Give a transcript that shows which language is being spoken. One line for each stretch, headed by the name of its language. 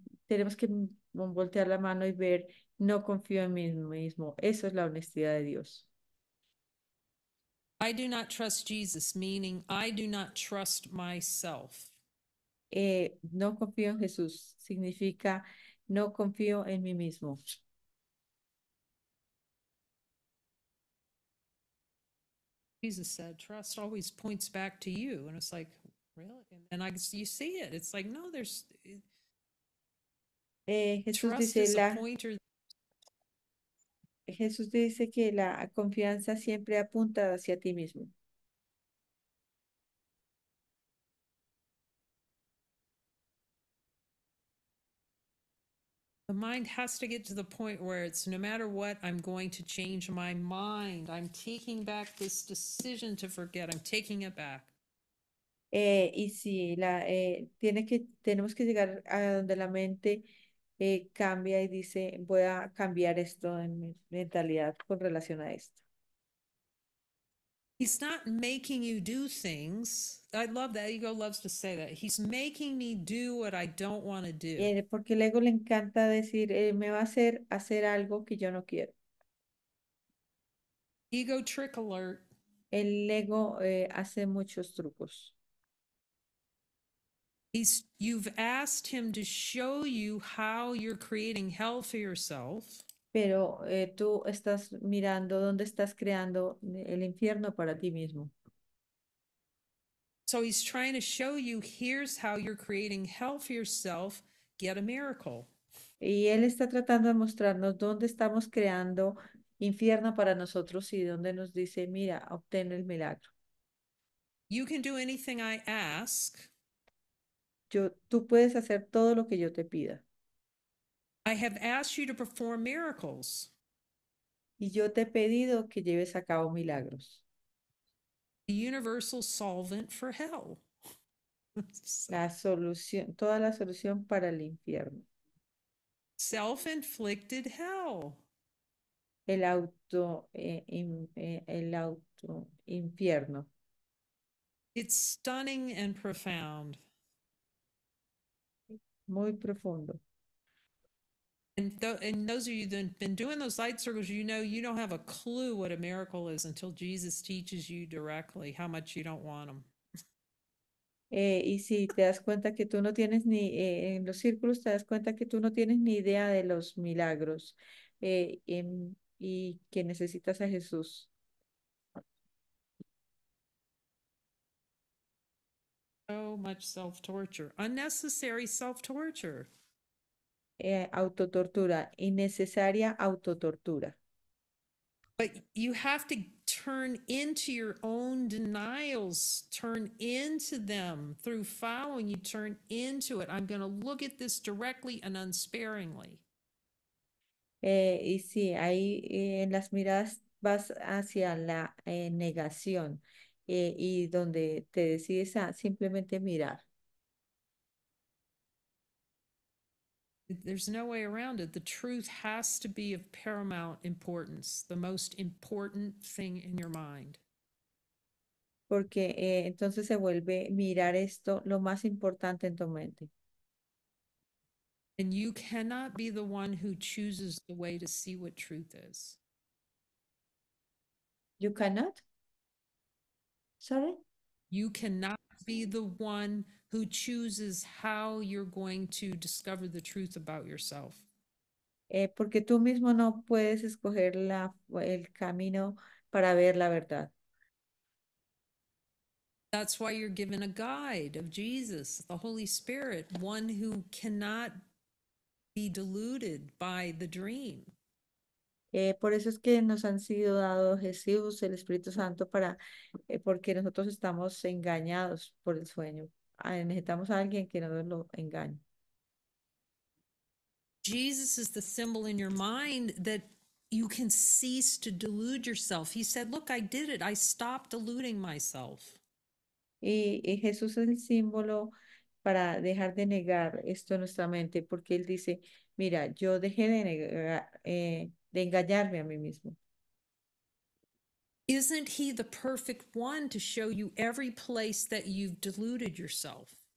Spanish: Tenemos que voltear la mano y ver, no confío en mí mismo. Eso es la honestidad de Dios.
English: I do not trust Jesus, meaning I do not trust myself.
Spanish: No confío en Jesús significa no confío en mí mismo.
English: Jesus said, trust always points back to you. And it's like, really? And you see it. It's like, no, there's...
Spanish: Jesús
English: Trust
Spanish: dice
English: is a
Spanish: la
English: pointer.
Spanish: Jesús dice que la confianza siempre apunta hacia ti mismo.
English: The mind has to get to the point where it's no matter what, I'm going to change my mind. I'm taking back this decision to forget. I'm taking it back.
Spanish: Y sí, tenemos que llegar a donde la mente cambia y dice, voy a cambiar esto en mi mentalidad con relación a esto.
English: He's not making you do things. I love that. Ego loves to say that. He's making me do what I don't want to do.
Spanish: Porque el ego le encanta decir, me va a hacer algo que yo no quiero.
English: Ego trick alert.
Spanish: El ego hace muchos trucos.
English: You've asked him to show you how you're creating hell for yourself.
Spanish: Pero tú estás mirando dónde estás creando el infierno para ti mismo.
English: So he's trying to show you, here's how you're creating hell for yourself. Get a miracle.
Spanish: Y él está tratando de mostrarnos dónde estamos creando infierno para nosotros y dónde nos dice, mira, obtén el milagro.
English: You can do anything I ask.
Spanish: Tú puedes hacer todo lo que yo te pida.
English: I have asked you to perform miracles.
Spanish: Y yo te he pedido que lleves a cabo milagros.
English: The universal solvent for hell.
Spanish: La solución, toda la solución para el infierno.
English: Self-inflicted hell.
Spanish: El auto infierno.
English: It's stunning and profound.
Spanish: Muy profundo.
English: And those of you that have been doing those light circles, you don't have a clue what a miracle is until Jesus teaches you directly how much you don't want
Spanish: Y si te das cuenta que tú no tienes ni en los círculos, te das cuenta que tú no tienes ni idea de los milagros y que necesitas a Jesús.
English: So much self-torture. Unnecessary self-torture.
Spanish: Autotortura, innecesaria autotortura.
English: But you have to turn into your own denials, turn into them through following. You turn into it. I'm going to look at this directly and unsparingly.
Spanish: Y sí, ahí en las miradas vas hacia la negación y donde te decides a simplemente mirar.
English: There's no way around it. The truth has to be of paramount importance, the most important thing in your mind.
Spanish: Porque entonces se vuelve mirar esto lo más importante en tu mente.
English: And you cannot be the one who chooses the way to see what truth is. You cannot. Sorry. You cannot be the one who chooses how you're going to discover the truth about yourself.
Spanish: Porque tú mismo no puedes escoger el camino para ver la verdad.
English: That's why you're given a guide of Jesus, the Holy Spirit, one who cannot be deluded by the dream.
Spanish: Por eso es que nos han sido dados Jesús, el Espíritu Santo, porque nosotros estamos engañados por el sueño. Ay, necesitamos a alguien que no nos lo engañe.
English: Jesus is the symbol in your mind that you can cease to delude yourself. He said, "Look, I did it. I stopped deluding myself."
Spanish: Y Jesús es el símbolo para dejar de negar esto en nuestra mente, porque él dice, mira, yo dejé de negar. De engañarme a mí mismo.
English: Isn't he the perfect one to show you every place that you've deluded yourself?